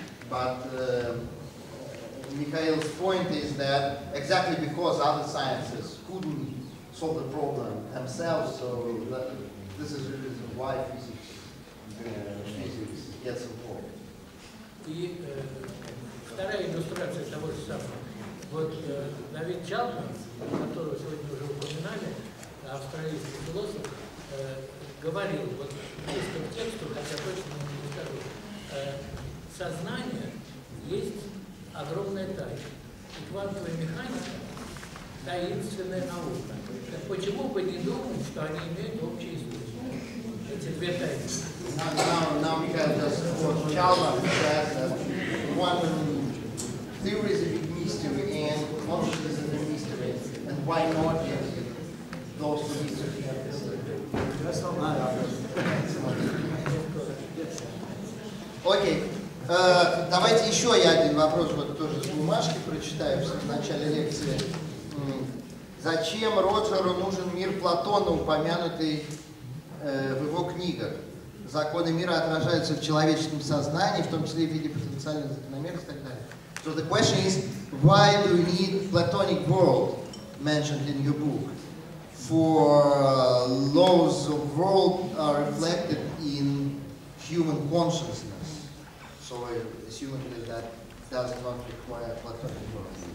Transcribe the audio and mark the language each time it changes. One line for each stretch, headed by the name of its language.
English: But Mikhail's point is that exactly because other sciences couldn't solve the problem themselves, so that, this is the reason why physics gets involved. And the second illustration of the same thing.
Russian: David которого сегодня уже упоминали, австралийский философ, говорил вот близко к тексту, хотя точно не скажу, сознание есть огромная тайна. И квантовая механика – таинственная наука. Так почему бы не думать, что они имеют общие источники? Эти две тайны.
English: Now we have this for Chalmers, that one theory is a big mystery and consciousness is a mystery. Why not yet? Those who need to be at this level. Okay.
Russian: Давайте еще я один вопрос вот тоже с бумажки прочитаю в начале лекции. Зачем Роджеру нужен мир Платона, упомянутый в его книгах? Законы мира отражаются в человеческом сознании, в том числе в виде потенциальных закономерностей и так далее.
English: So the question is, why do you need Platonic world mentioned in your book? For laws of world are reflected in human consciousness. So assumedly that does not require Platonic world.